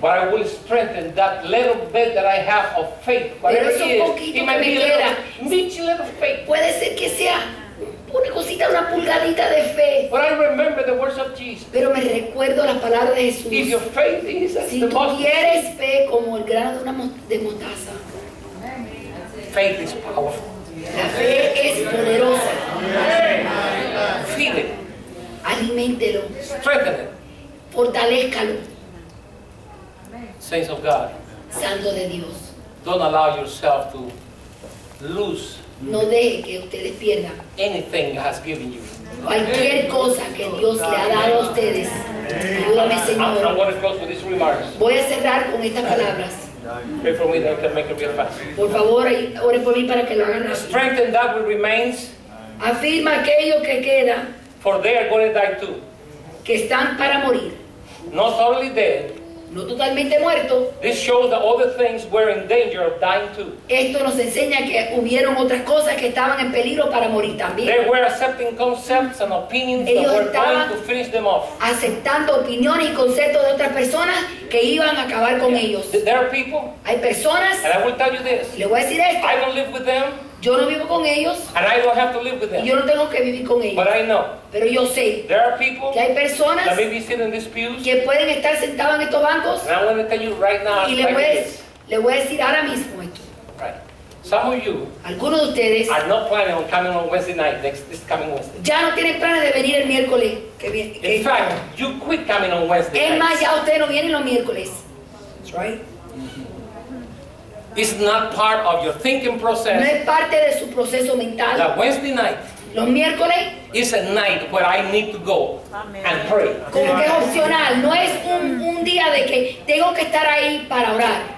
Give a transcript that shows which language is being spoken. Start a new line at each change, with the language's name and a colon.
English: But I will strengthen that little bit that I have of faith. Whatever it is, it might be a little, little faith.
Spanish: Puede ser que sea una cosita, una pulgadita de fe.
English: But I remember the words of Jesus.
Spanish: Pero me recuerdo las palabras de Jesús.
English: If your faith is
Spanish: si tú quieres fe como el grano de una mostaza.
English: Faith is powerful.
Spanish: La fe es poderosa.
English: Feed it.
Spanish: Aliméntelo.
English: Strengthen it.
Spanish: Fortalezcalo.
English: Saints of God.
Spanish: Santo de Dios.
English: Don't allow yourself to lose.
Spanish: No deje que ustedes pierdan.
English: Anything has given you.
Spanish: Cualquier cosa que Dios le ha dado a ustedes. Ayúdame, Señor.
English: I want to close with these remarks.
Spanish: Voy a cerrar con estas palabras.
English: Pray for me that I can make it real fast.
Spanish: Por favor, ore por mí para que lo hagan.
English: Strengthen that which remains.
Spanish: Afirma aquello que queda.
English: For they are going to die too.
Spanish: Que están para morir.
English: Not only dead.
Spanish: No totalmente muerto.
English: This shows that other things were in danger of dying too.
Spanish: Esto nos enseña que hubieron otras cosas que estaban en peligro para morir también.
English: They were accepting concepts and opinions
Spanish: ellos
English: that were going to finish them off.
Spanish: Aceptando opiniones y conceptos de otras personas que iban a acabar con yeah. ellos.
English: There are people.
Spanish: Hay personas.
English: And I will tell you this.
Spanish: Le voy a decir esto.
English: I don't live with them.
Spanish: Yo no vivo con ellos.
English: And I don't have to live with them.
Spanish: Y yo no tengo que vivir con ellos.
English: But I know.
Spanish: Pero yo sé.
English: There are people
Spanish: que hay personas
English: that may be sitting in these pews
Spanish: que pueden estar sentados en estos bancos.
English: And I'm going to tell you right now.
Spanish: Y le voy a decir ahora mismo esto.
English: Right. Some of you.
Spanish: Algunos de ustedes.
English: Are not planning on coming on Wednesday night this coming Wednesday.
Spanish: Ya no tienen planes de venir el miércoles que viene.
English: In fact, you quit coming on Wednesday.
Spanish: Es más, ya ustedes no vienen los miércoles.
English: That's right. It's not part of your thinking process.
Spanish: No es parte de su proceso mental.
English: That Wednesday night.
Spanish: Los miércoles.
English: Is a night where I need to go Amen. And pray.
Spanish: Como que es opcional. No es un día de que tengo que estar ahí para orar.